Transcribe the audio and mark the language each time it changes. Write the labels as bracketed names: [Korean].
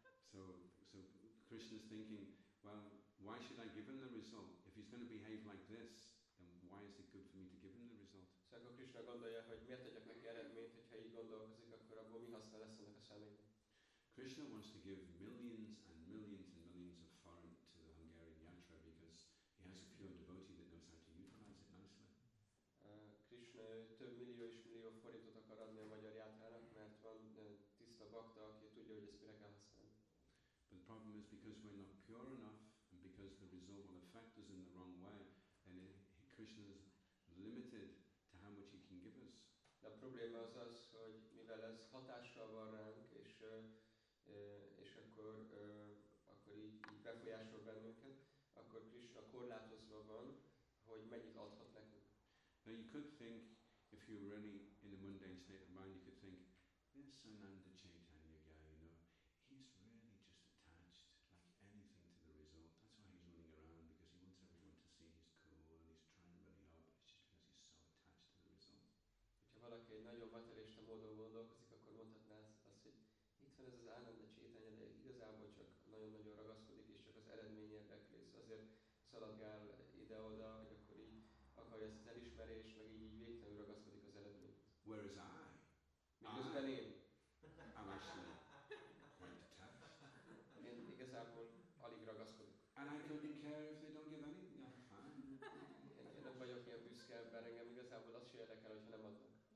[English] So Krishna's thinking, well, why should I give him the result? If he's going to behave like this, then why is it good for me to give him the result? [Hungarian] So akkor Krishna gondolja, hogy miért adjak neki eredményt, hogyha így gondolkozik, akkor abból mi haszna lesz ennek a személynek? [English] Krishna wants to give millions and millions and millions of forint to the Hungarian yatra because he has a pure devotee that knows how to utilize it nicely. [Hungarian] Krishna több millió és millió forintot akar adni a magyar yatrának, mert van tiszta bakta, aki tudja, hogy ezt mire kell használni. [English] But the problem is because we're not pure enough and because the result will affect us in the wrong way, then Krishna is limited to how much he can give us. [Hungarian] De a probléma az, hogy mivel ez hatással van ránk, és és akkor, akkor így befolyásol bennünket, akkor Krishna korlátozva van, hogy mennyit adhat nekünk. [English] Now you could think, if you were really in a mundane state of mind, you could think, this Ananda Chaitanya guy, you know, he's really just attached like anything to the result. That's why he's running around, because he wants everyone to see he's cool and he's trying really hard, but it's just because he's so attached to the result. [Hungarian] Hogyha valaki egy nagyon materialista módon gondolkozik, akkor mondhatná azt, hogy itt van ez az Ananda Chaitanya, de igazából csak nagyon-nagyon ragaszkodik, és csak az eredmény érdekli, és azért szaladgál ide-oda, hogy akkor így akarja ezt az elismerést, meg így végtelenül ragaszkodik az eredmény. [English] Where is I? [Hungarian] Miközben én. [English] I'm actually quite attached. [Hungarian] Én igazából alig ragaszkodok. [English] And I couldn't care if they don't give anything, I'm fine. [Hungarian] Én nem vagyok ilyen büszke ebben, engem igazából az sem érdekel, hogyha nem adnak.